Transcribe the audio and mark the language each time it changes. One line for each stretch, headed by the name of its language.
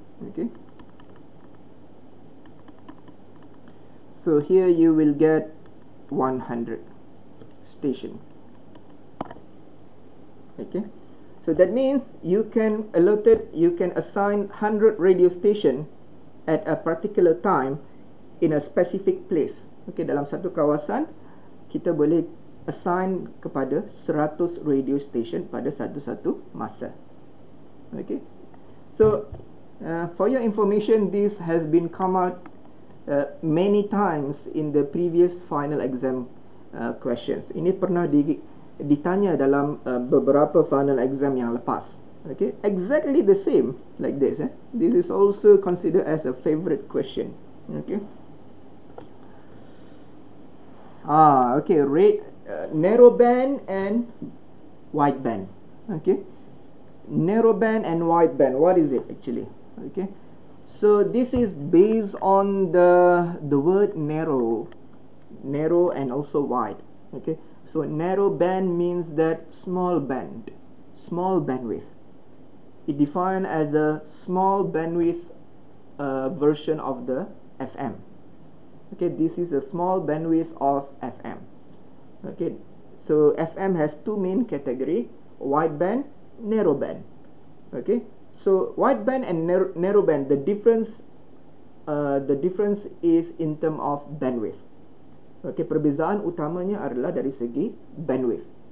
English: Okay, so here you will get 100 station. Okay, so that means you can allot it, you can assign 100 radio station at a particular time in a specific place.
Malay: Okay, dalam satu kawasan kita boleh assign kepada 100 radio station pada satu-satu masa.
English: Okay, so for your information, this has been come out many times in the previous final exam questions.
Malay: Ini pernah ditanya dalam beberapa final exam yang lepas.
English: Okay, exactly the same like this. Eh? This is also considered as a favorite question. Okay. Okay. Red narrow band and wide band. Okay. Narrow band and wide band. What is it actually? Okay, so this is based on the word narrow and also wide. Okay, so narrow band means that small bandwidth. It defined as a small bandwidth version of the FM. Okay, this is a small bandwidth of FM. Okay, so FM has two main category: wide band, narrow band. Okay, so wide band and narrow band, the difference is in term of bandwidth.
Malay: Okay, perbezaan utamanya adalah dari segi bandwidth.